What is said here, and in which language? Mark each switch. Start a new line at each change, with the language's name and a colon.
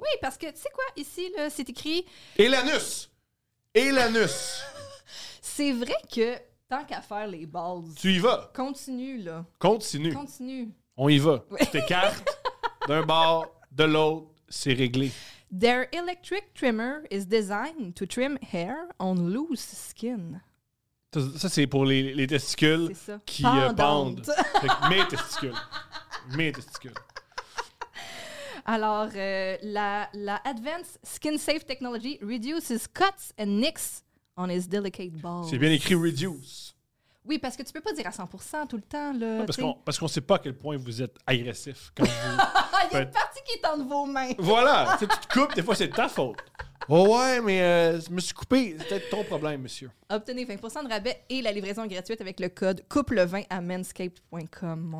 French: Oui, parce que, tu sais quoi, ici, là, c'est écrit... Et l'anus! Et l'anus! C'est vrai que, tant qu'à faire les balls... Tu y vas! Continue, là. Continue! Continue! On y va! Ouais. T'écartes d'un bord, de l'autre, c'est réglé.
English: Their electric trimmer is designed to trim hair on loose skin.
French: Ça, c'est pour les testicules qui pendent. Mes testicules. Mes testicules. Alors, la
English: Advanced Skin Safe Technology reduces cuts and nicks on his delicate balls.
French: C'est bien écrit reduce. Oui, parce que tu peux pas dire à 100% tout le temps. Là, non, parce qu'on sait pas à quel point vous êtes agressif. Quand vous... Il y a une partie qui est entre vos mains. Voilà. Si tu te coupes, des fois, c'est ta faute. Oh ouais, mais je me suis coupé. C'est peut-être ton problème, monsieur. Obtenez 20% de rabais et la livraison gratuite avec le code COUPLE20 à manscaped.com, mon